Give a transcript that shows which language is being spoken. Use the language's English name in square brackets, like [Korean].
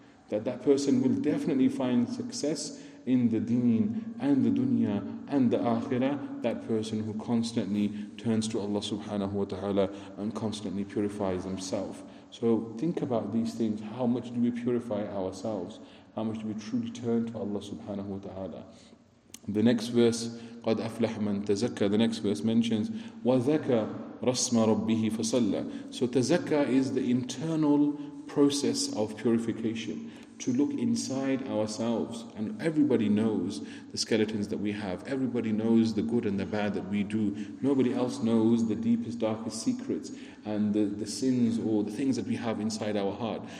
[English] That person will definitely find success in the deen and the dunya and the akhirah, that person who constantly turns to Allah subhanahu wa ta'ala and constantly purifies himself. So think about these things. How much do we purify ourselves? How much do we truly turn to Allah subhanahu wa ta'ala? The next verse, [Arabic] قَدْ أَفْلَحَ مَنْ تَزَكَّى, [English] the next verse mentions, [Arabic] وَذَكَى رَسْمَ رَبِّهِ فَصَلَّى. [English] So tazakka is the internal process of purification, to look inside ourselves. And everybody knows the skeletons that we have. Everybody knows the good and the bad that we do. Nobody else knows the deepest, darkest secrets and the sins or the things that we have inside our heart.